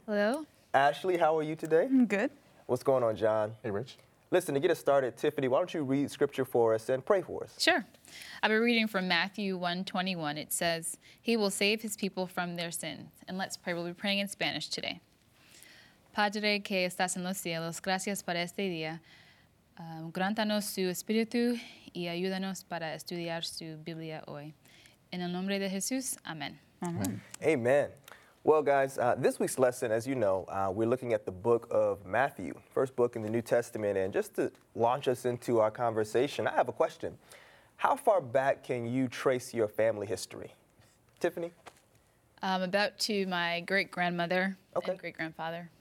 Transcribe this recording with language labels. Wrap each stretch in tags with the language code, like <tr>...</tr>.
<en>Hello. Ashley, how are you today? I'm good. What's going on, John? Hey, Rich. Listen, to get us started, Tiffany, why don't you read scripture for us and pray for us? Sure. I've been reading from Matthew 1:21. It says, "He will save his people from their sins." And let's pray. We'll be praying in Spanish today.</en> <es>Padre que estás en los cielos, gracias por este día. Grántanos su espíritu y ayúdanos para estudiar su Biblia hoy. En el nombre de Jesús, amen.</es> <en>Amen. Amen. Well, guys, this week's lesson, as you know, we're looking at the book of Matthew, first book in the New Testament. And just to launch us into our conversation, I have a question. How far back can you trace your family history? Tiffany? About to my great-grandmother and great-grandfather.</en>